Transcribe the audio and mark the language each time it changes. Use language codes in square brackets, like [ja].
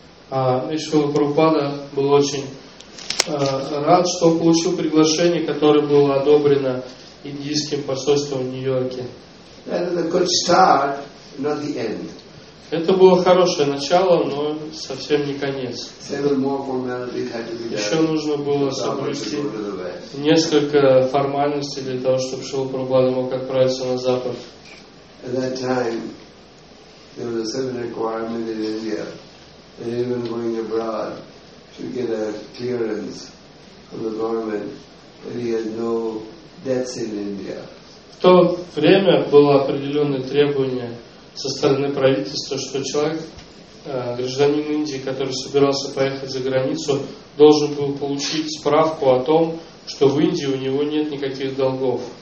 [ru] Шрила Прабхупада был очень рад, что он получил приглашение, которое было одобрено индийским посольством в Нью-Йорке. [en] That is a good start, not the end. [ru] Это было хорошее начало, но совсем не конец. [en] Several more formalities had to be done. [ru] Еще нужно было соблюсти несколько формальностей для того, чтобы Шрила Прабхупада мог отправиться на Запад. [en] At that time, there was a certain requirement in India that even going abroad should get a clearance from the government that he has no debts in India. [ru] В то время было определенное требование со стороны правительства, что человек, гражданин Индии, который собирался поехать за границу, должен был получить справку о том, что в Индии у него нет никаких долгов.